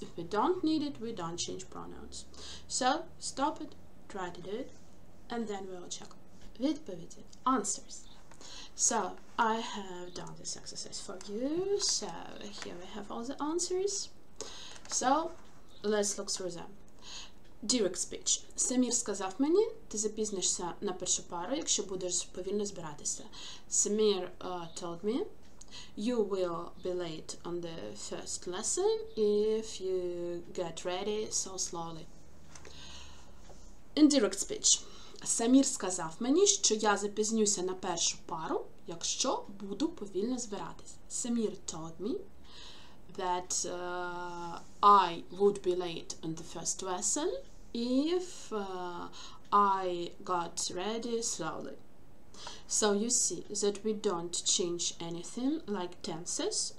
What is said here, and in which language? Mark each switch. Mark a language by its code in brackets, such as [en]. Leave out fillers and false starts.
[en] If we don't need it, we don't change pronouns. So stop it, try to do it, and then we'll check. [uk] Відповіді, answers. [en] So, I have done this exercise for you, so here we have all the answers. So, let's look through them. Direct speech. [uk] Самір сказав мені, ти запізнишся на першу пару, якщо будеш повільно збиратися. [en] Самір told me, you will be late on the first lesson if you get ready so slowly. Indirect speech. [uk] Самір сказав мені, що я запізнюся на першу пару, якщо буду повільно збиратися. [en] Самір told me that I would be late on the first lesson if I got ready slowly. So you see that we don't change anything like tenses.